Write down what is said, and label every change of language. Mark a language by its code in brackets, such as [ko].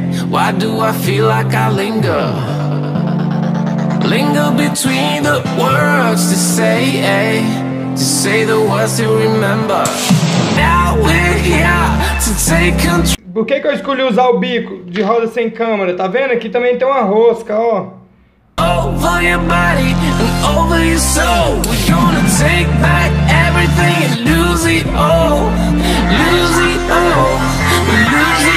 [en] Why do I feel like I linger? Linger between the words to say, eh? To say the words to remember. Now we're here to take control. [pt] Por que que eu escolhi usar o bico de roda sem câmera? Tá vendo? Aqui também tem uma rosca, ó. [en] Over your body and over your soul. We're gonna take back everything and lose it all. Lose it all.